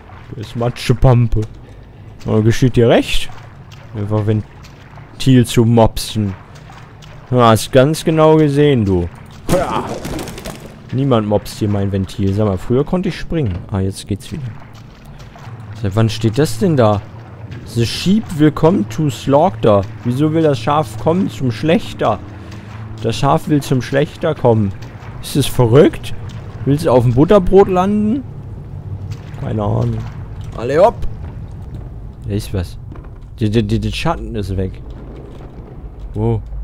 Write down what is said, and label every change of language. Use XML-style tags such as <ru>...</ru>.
<de>Das ist Matschepampe. Aber geschieht dir recht? Einfach Ventil zu mopsen. Du hast ganz genau gesehen, du. Ja. Niemand mopst hier mein Ventil. Sag mal, früher konnte ich springen. Ah, jetzt geht's wieder. Seit wann steht das denn da?</de> <en>The Sheep will come to Slaughter.</en> <de>Wieso will das Schaf kommen zum Schlechter? Das Schaf will zum Schlechter kommen. Ist es verrückt? Willst du auf dem Butterbrot landen? Keine Ahnung. Alle hopp! Da ist was. Der Schatten ist weg. Wow.</de>